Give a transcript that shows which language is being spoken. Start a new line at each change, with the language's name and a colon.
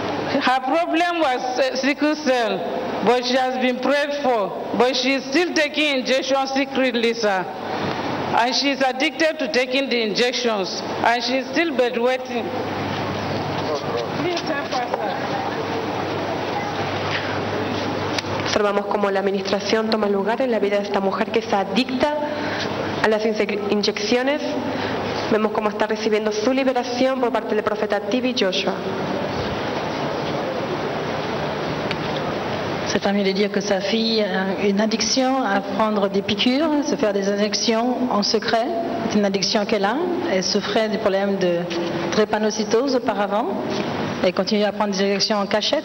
English: Her problem was sickle cell, but she has been prayed for. But she is still taking injections secretly, sir. And she is addicted to taking the injections. And she is still bedwetting. Please help her, sir.
Spanish: Observamos cómo la administración toma lugar en la vida de esta mujer que es adicta a las inyecciones. Vemos cómo está recibiendo su liberación por parte del profeta TV Joshua.
French: Cette femme lui dit que sa fille a une addiction à prendre des piqûres, se faire des injections en secret. C'est une addiction qu'elle a. Elle souffrait du problème de drépanocytose auparavant. Elle continue à prendre des injections en cachette.